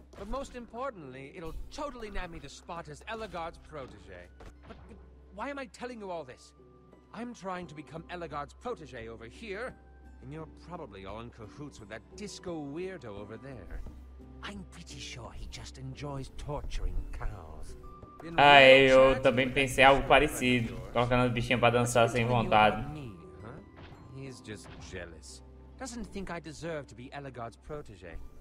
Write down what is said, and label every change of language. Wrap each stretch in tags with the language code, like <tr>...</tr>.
<en>But most importantly, it'll totally nab me the spot as Elagard's protege. But why am I telling you all this? I'm trying to become Elagard's protege over here, and you're probably all in cahoots with that disco weirdo over there. I'm pretty sure he just enjoys torturing cows.</en> <pt>Ah, eu também pensei algo parecido, colocando o bichinho pra dançar sem vontade.</pt> <en>He's just jealous. Doesn't think I deserve to be Elagard's protege.</en>